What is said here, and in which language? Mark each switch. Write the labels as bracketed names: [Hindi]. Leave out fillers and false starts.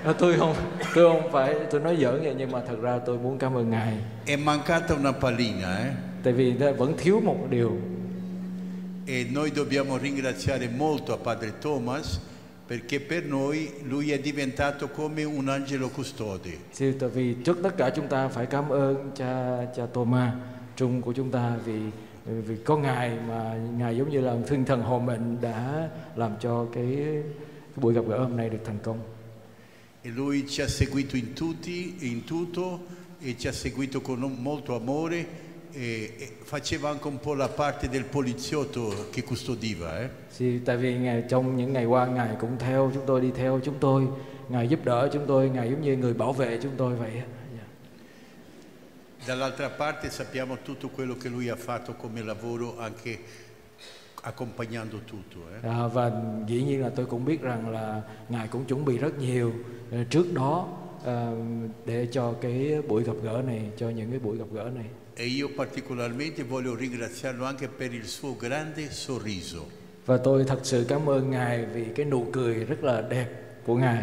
[Vietnamese] Tôi nói giỡn vậy, nhưng mà thật ra tôi muốn cảm ơn ngài. [Italian] È mancata una pallina, [Vietnamese] Tại vì vẫn thiếu một điều. [Italian] E noi dobbiamo ringraziare molto a Padre Thomas perché per noi lui è diventato come un angelo custode. [Vietnamese] Sì, tại vì trước tất cả chúng ta phải cảm ơn cha Thomas, trung của chúng ta vì có ngài mà ngài giống như là thiên thần hộ mệnh đã làm cho cái buổi gặp gỡ hôm nay được thành công. [Italian] E lui ci ha seguito in tutti in tutto e ci ha seguito con molto amore e faceva anche un po' la parte del poliziotto che custodiva, [Vietnamese] Sì, tại vì ngài trong những ngày qua ngài cũng theo chúng tôi, đi theo chúng tôi, ngài giúp đỡ chúng tôi, ngài giống như người bảo vệ chúng tôi vậy. [Italian] Dall'altra parte sappiamo tutto quello che lui ha fatto come lavoro anche accompagnando tutto, [Vietnamese] Và dĩ nhiên là tôi cũng biết rằng là ngài cũng chuẩn bị rất nhiều trước đó để cho cái buổi gặp gỡ này, cho những cái buổi gặp gỡ này. [Italian] E io particolarmente voglio ringraziarlo anche per il suo grande sorriso. [Vietnamese] Và tôi thật sự cảm ơn ngài vì cái nụ cười rất là đẹp của ngài.